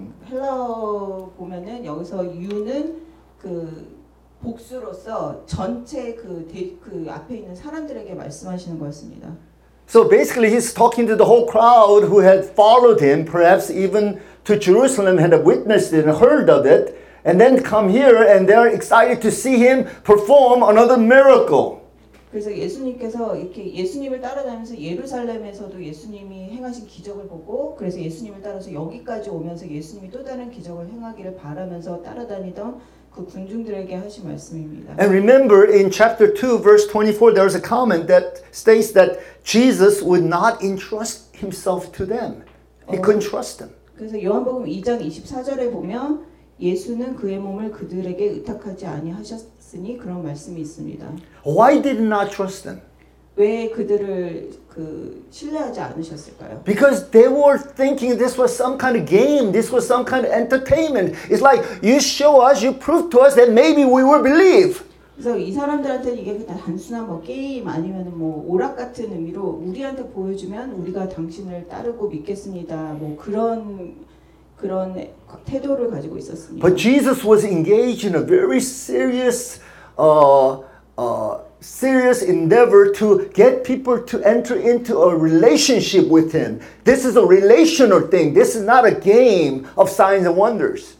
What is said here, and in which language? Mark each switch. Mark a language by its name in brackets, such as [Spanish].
[Korean] 헬라어 보면은 여기서 유는 그 복수로서 전체 그 앞에 있는 사람들에게 말씀하시는 거였습니다. [English] So basically he's talking to the whole crowd who had followed him, perhaps even to Jerusalem had witnessed it and heard of it, and then come here and they're excited to see him perform another miracle. [Korean] 그래서 예수님께서 이렇게 예수님을 따라다니면서 예루살렘에서도 예수님이 행하신 기적을 보고 그래서 예수님을 따라서 여기까지 오면서 예수님이 또 다른 기적을 행하기를 바라면서 따라다니던 그 군중들에게 하신 말씀입니다. [English] And remember in chapter 2 verse 24 there is a comment that states that Jesus would not entrust himself to them. He couldn't trust them. [Korean] 그래서 요한복음 2장 24절에 보면 예수는 그의 몸을 그들에게 의탁하지 아니하셨 그런 말씀이 있습니다. [English] Why did not trust them? [Korean] 왜 그들을 신뢰하지 않으셨을까요? [English] Because they were thinking this was some kind of game. This was some kind of entertainment. It's like you show us, you prove to us that maybe we will believe. [Korean] 그래서 이 사람들한테 이게 그냥 단순한 뭐 게임 아니면 뭐 오락 같은 의미로 우리한테 보여주면 우리가 당신을 따르고 믿겠습니다. 뭐 그런 태도를 가지고 있었습니다. [English] But Jesus was engaged in a very serious endeavor to get people to enter into a relationship with him. This is a relational thing. This is not a game of signs and wonders.